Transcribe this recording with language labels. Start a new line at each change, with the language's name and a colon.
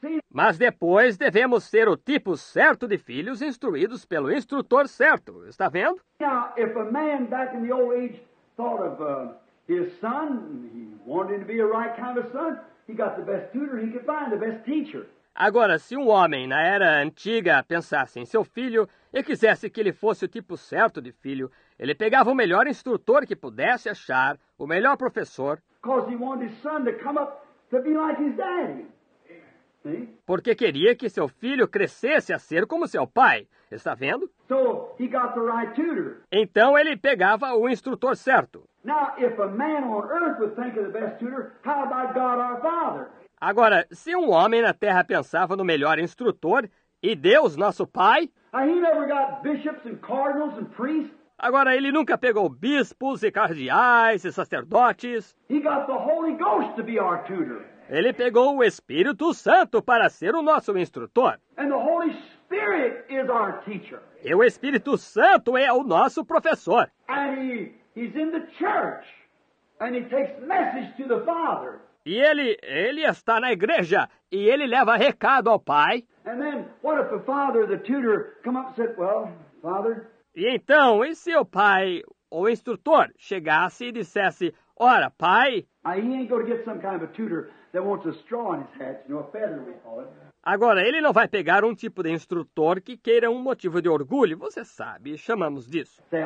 Portuguese: Mas depois devemos ser o tipo certo de filhos instruídos pelo instrutor certo, está vendo?
English: Now, if a man back in the old age thought of his son, he wanted to be a right kind of son, he got the best tutor he could find, the best teacher.
Portuguese: Agora, se um homem na era antiga pensasse em seu filho e quisesse que ele fosse o tipo certo de filho, ele pegava o melhor instrutor que pudesse achar, o melhor professor.
English: Because he wanted his son to come up to be like his daddy.
Portuguese: Porque queria que seu filho crescesse a ser como seu pai. Está vendo?
English: So he got the right tutor.
Portuguese: Então ele pegava o instrutor certo.
English: Now, if a man on earth would think of the best tutor, how about God our Father?
Portuguese: Agora, se um homem na Terra pensava no melhor instrutor e Deus, nosso Pai...
English: He never got bishops and cardinals and priests.
Portuguese: Agora, ele nunca pegou bispos e cardeais e sacerdotes.
English: He got the Holy Ghost to be our tutor.
Portuguese: Ele pegou o Espírito Santo para ser o nosso instrutor.
English: And the Holy Spirit is our teacher.
Portuguese: E o Espírito Santo é o nosso professor.
English: And he's in the church, and he takes message to the Father.
Portuguese: E ele está na igreja e ele leva recado ao Pai.
English: And then, what if the father, the tutor, come up and said, well, father?
Portuguese: E então, e se o pai ou o instrutor chegasse e dissesse, ora, pai?
English: He ain't going to get some kind of a tutor that wants a straw in his hat, you know, a feather, we call it.
Portuguese: Agora, ele não vai pegar um tipo de instrutor que queira um motivo de orgulho, você sabe, chamamos disso.